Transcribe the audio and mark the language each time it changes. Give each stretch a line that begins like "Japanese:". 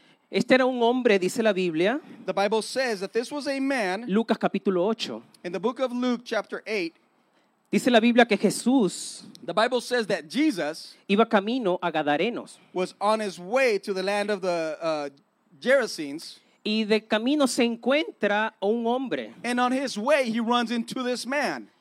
Spanish: Este era un hombre, dice la Biblia.
English: The Bible says that this was a man.
Spanish: Lucas capítulo 8.
English: In the book of Luke chapter 8.
Spanish: Dice la Biblia que Jesús.
English: The Bible says that Jesus.
Spanish: Iba camino a Gadarenos.
English: Was on his way to the land of the Gerasenes.
Spanish: Y de camino se encuentra a un hombre.
English: And on his way he runs into this man.